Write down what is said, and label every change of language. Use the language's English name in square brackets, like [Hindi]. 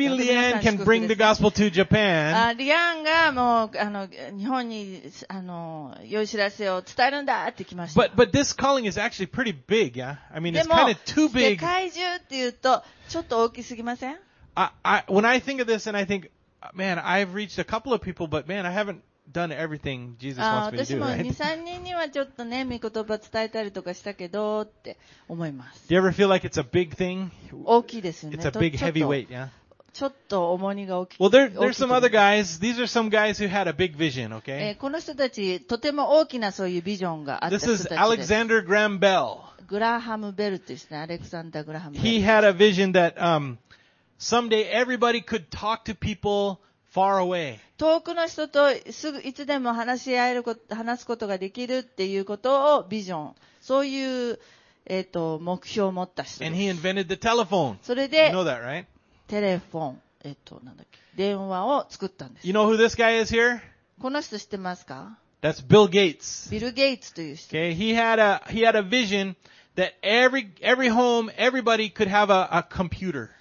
[English] Maybe Leanne can bring the gospel to Japan. [Japanese] Leanne がもう、日本に、良い知らせを伝えるんだって来ました。 [English] But this calling is actually pretty big, yeah? I mean, it's kind of too big. [Japanese] 世界中って言うと、ちょっと大きすぎません? [English] When I think of this and I think, man, I've reached a couple of people, but man, I haven't done everything Jesus wants me to do, right? [Japanese] 私も2、3人にはちょっとね、御言葉伝えたりとかしたけどって思います。 [English] Do you ever feel like it's a big thing? [Japanese] 大きいですよね。 [English] It's a big heavy weight, yeah? [Japanese] ちょっと重荷が大きい。 [English] Well, there's some other guys. These are some guys who had a big vision, okay? [Japanese] この人たち、とても大きなそういうビジョンがあった人たちです。 [English] This is Alexander Graham Bell. [Japanese] グラハム・ベルですね。アレクサンダー・グラハム・ベル。 [English] He had a vision that, Someday everybody could talk to people far away. [Japanese] 遠くの人とすぐいつでも話し合えること、話すことができるっていうことをビジョン。そういう、目標を持った人。 [English] And he invented the telephone. [Japanese] それで、 [English] you know that, right? [Japanese] テレフォン、なんだっけ、電話を作ったんです。 [English] You know who this guy is here? [Japanese] この人知ってますか? [English] That's Bill Gates. [Japanese] ビル・ゲイツという人。 [English] Okay, he had a vision that every home, everybody could have a computer.